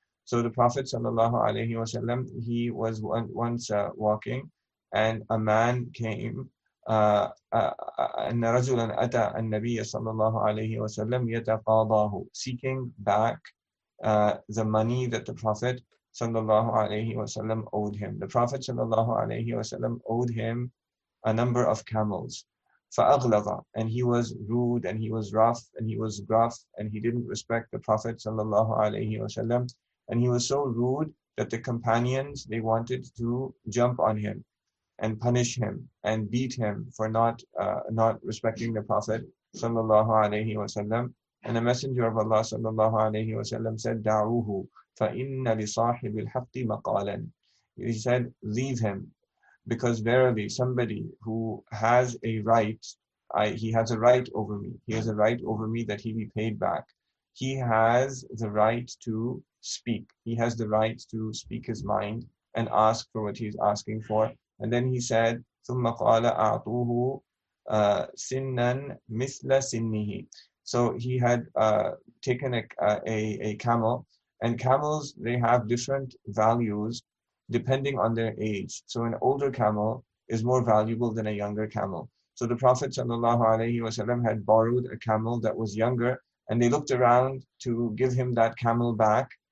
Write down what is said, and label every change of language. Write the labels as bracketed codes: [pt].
[en] So the Prophet sallallahu alaihi wasallam, he was once walking, and a man came. [ar] أن رجلا أتى النبي صلى الله عليه وسلم يتقاضاه, [en] seeking back the money that the Prophet صلى الله عليه وسلم owed him. The Prophet صلى الله عليه وسلم owed him a number of camels. [ar] فأغلظ, [en] and he was rude, and he was rough, and he was gruff, and he didn't respect the Prophet صلى الله عليه وسلم, and he was so rude that the companions, they wanted to jump on him and punish him and beat him for not respecting the Prophet sallallahu alaihi wasallam. And the Messenger of Allah sallallahu alaihi wasallam said, [ar] "Da'uhu, fa inna li sahibil haqqi maqalan." [en] He said, "Leave him, because verily somebody who has a right, he has a right over me. He has a right over me that he be paid back. He has the right to speak. He has the right to speak his mind and ask for what he's asking for." And then he said, [ar] ثُمَّ قَالَ أَعْطُوهُ سِنًّا مِثْلَ سِنِّهِ. [en] So he had taken a camel. And camels, they have different values depending on their age. So an older camel is more valuable than a younger camel. So the Prophet ﷺ had borrowed a camel that was younger, and they looked around to give him that camel back.